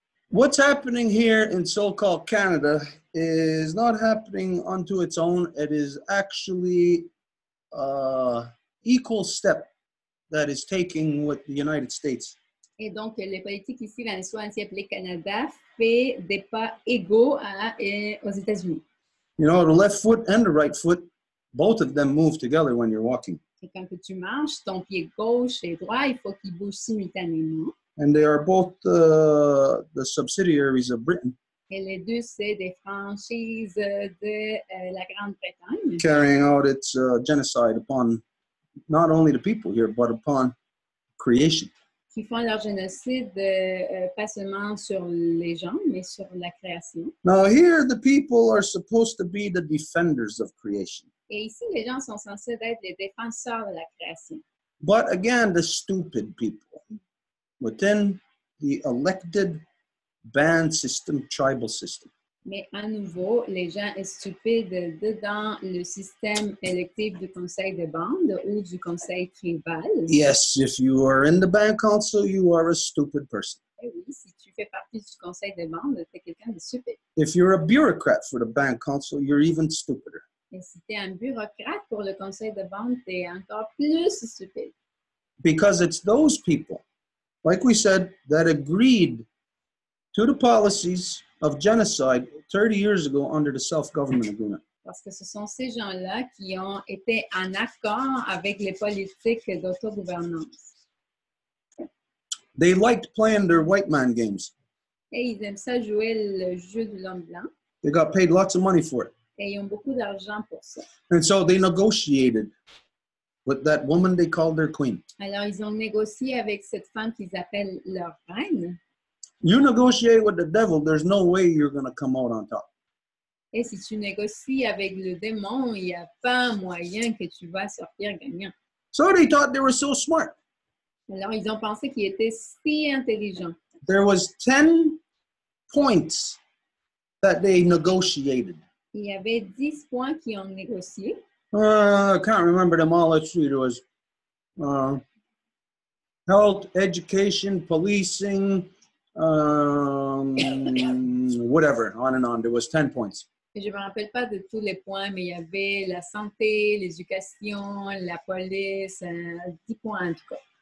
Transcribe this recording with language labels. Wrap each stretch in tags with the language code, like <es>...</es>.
<en>What's happening here in so-called Canada is not happening unto its own. It is actually equal step that is taking with the United States.</en> <fr>Et donc, les politiques ici, dans le soin-ci appelé Canada, fait des pas égaux aux États-Unis.</fr> <en>You know, the left foot and the right foot, both of them move together when you're walking.</en> <fr>Et quand tu marches, ton pied gauche et droit, il faut qu'ils bougent simultanément.</fr> <en>And they are both the subsidiaries of Britain.</en> <fr>Et les deux, c'est des franchises de la Grande-Bretagne.</fr> <en>Carrying out its genocide upon not only the people here, but upon creation.</en> <fr>Qui font leur génocide pas seulement sur les gens, mais sur la création.</fr> <en>Now here, the people are supposed to be the defenders of creation.</en> <fr>Et ici, les gens sont censés être les défenseurs de la création.</fr> <en>But again, the stupid people within the elected band system, tribal system.</en> <fr>Mais à nouveau, les gens stupides dedans le système électif du conseil de bande ou du conseil tribal.</fr> <en>Yes, if you are in the band council, you are a stupid person.</en> <fr>Et oui, si tu fais partie du conseil de bande, t'es quelqu'un de stupide.</fr> <en>If you're a bureaucrat for the band council, you're even stupider.</en> <fr>Et si t'es un bureaucrate pour le conseil de bande, t'es encore plus stupide.</fr> <en>Because it's those people, like we said, that agreed to the policies of genocide 30 years ago under the self-government agreement.</en> <fr>Parce que ce sont ces gens-là qui ont été en accord avec les politiques d'autogouvernance.</fr> <en>They liked playing their white man games.</en> <fr>Et ils aiment ça jouer le jeu de l'homme blanc.</fr> <en>They got paid lots of money for it.</en> <fr>Et ils ont beaucoup d'argent pour ça.</fr> <en>And so they negotiated with that woman they called their queen.</en> <fr>Alors ils ont négocié avec cette femme qu'ils appellent leur reine.</fr> <en>You negotiate with the devil, there's no way you're going to come out on top.</en> <fr>Et si tu négocies avec le démon, il n'y a pas moyen que tu vas sortir gagnant.</fr> <en>So they thought they were so smart.</en> <fr>Alors, ils ont pensé qu'ils étaient si intelligents.</fr> <en>There was 10 points that they negotiated.</en> <fr>Il y avait 10 points qu'ils ont négocié.</fr> <en>I can't remember them all. It was health, education, policing, whatever, on and on. There was 10 points.</en> <fr>Je me rappelle pas de tous les points, mais il y avait la santé, l'éducation, la police, 10 points en tout cas.</fr>